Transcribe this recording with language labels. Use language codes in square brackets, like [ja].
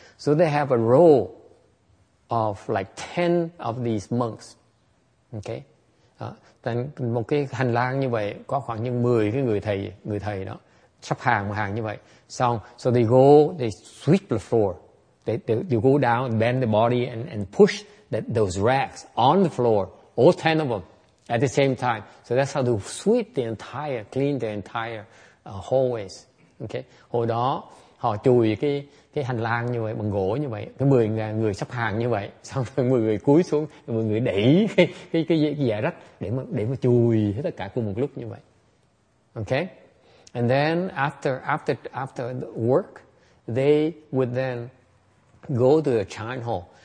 [en] So they have a row of like 10 of these monks. Okay. [vi] Then một cái hành lang như vậy có khoảng như 10 cái người thầy đó sắp hàng như vậy. [en] So they sweep the floor. They go down, bend the body and push those racks on the floor, all 10 of them. At the same time, so that's how to sweep the entire, clean the entire hallways. [vi] Okay, hồi đó họ chùi cái hành lang như vậy, bằng gỗ như vậy, cái 10 người sắp hàng như vậy, xong rồi 10 người cúi xuống, 10 người đẩy cái giả rách để mà chùi hết tất cả cùng một lúc như vậy. [en] Okay, and then after work, they would then go to the Chan Hall.